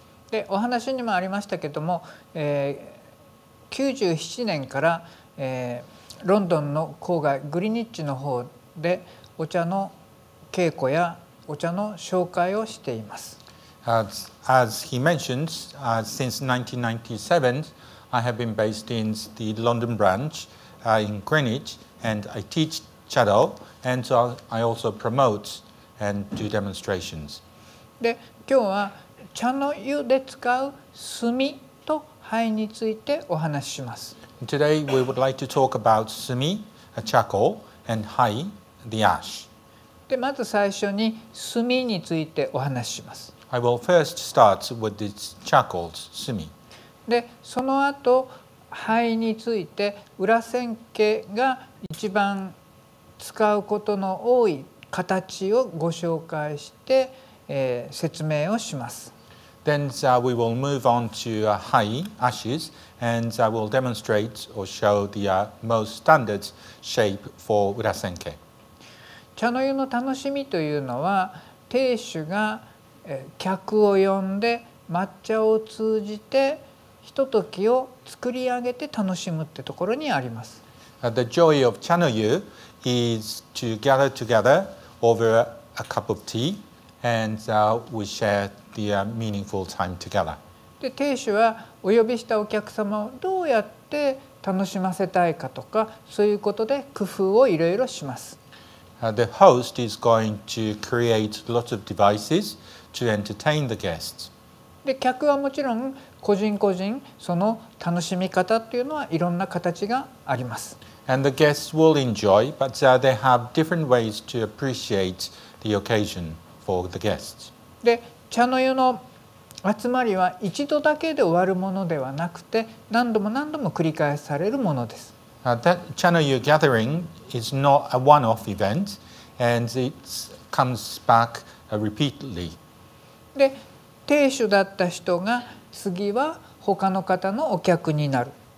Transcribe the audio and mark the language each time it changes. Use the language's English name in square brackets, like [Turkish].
[Japanese] でお話にもありましたけども、97年から、ロンドンの郊外グリニッチの方でお茶の稽古やお茶の紹介をしています。 [English] As he mentions, since 1997, I have been based in the London branch in Greenwich, and I teach Chado, and so I also promote and do demonstrations. [Japanese] で今日は茶の湯で使う炭と灰についてお話しします。 [English] Today we would like to talk about 炭, a charcoal, and 灰, the ash. [Japanese] で、まず最初に炭についてお話しします。 [English] I will first start with the charcoal, 炭. [Japanese] で、その後灰について Urasenkeが一番使うことの多い形をご紹介して、説明をします。 [English] Then we will move on to hai, ashes, and I will demonstrate or show the most standard shape for urasenke. [Japanese] 茶の湯の楽しみというのは、亭主が客を呼んで抹茶を通じてひとときを作り上げて楽しむってところにあります。 [English] The joy of 茶の湯 is to gather together over a cup of tea, and we share the meaningful time together. [Japanese] で、亭主はお呼びしたお客様をどうやって楽しませたいかとか、そういうことで工夫をいろいろします。 [English] The host is going to create lots of devices to entertain the guests. [Japanese] で、客はもちろん個人個人その楽しみ方というのはいろんな形があります。 [English] And the guests will enjoy, but they have different ways to appreciate the occasion for the guests. [Japanese] で、茶の湯の集まりは一度だけで終わるものではなくて、何度も何度も繰り返されるものです。 [English] 茶の湯 gathering is not a one-off event, and it comes back repeatedly. [Japanese] で、亭主だった人が次は他の方のお客になる。